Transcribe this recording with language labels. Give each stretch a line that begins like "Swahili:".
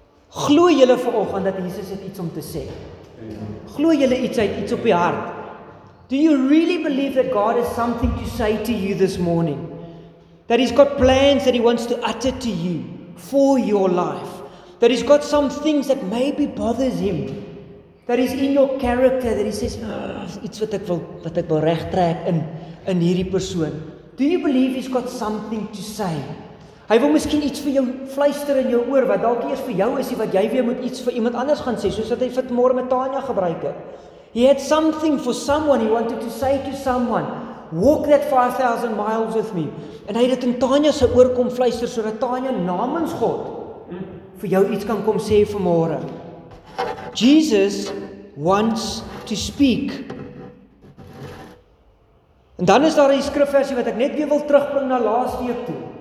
Afrikaans: Glo julle vanoggend dat Jesus het iets om te sê? Glo julle iets uit, iets op die hart?
English: Do you really believe that God has something to say to you this morning? That He's got plans that He wants to utter to you for your life? That He's got some things that maybe bothers Him? That is in your character, that he says,
Afrikaans: iets wat ek wil regtrek in hierdie persoon.
English: Do you believe he's got something to say?
Afrikaans: Hy wil miskien iets vir jou fluister in jou oor, wat dalk eers vir jou is, wat jy weer moet iets vir iemand anders gaan sê, soos wat hy vir môre met Tanya gebruik het.
English: He had something for someone, he wanted to say to someone, walk that 5,000 miles with me.
Afrikaans: En hy het dit in Tanya se oor kom fluister, sodat Tanya namens God vir jou iets kan kom sê vir môre.
English: Jesus wants to speak.
Afrikaans: En dan is daar 'n skrifversie wat ek net weer wil terugbring na laas week toe.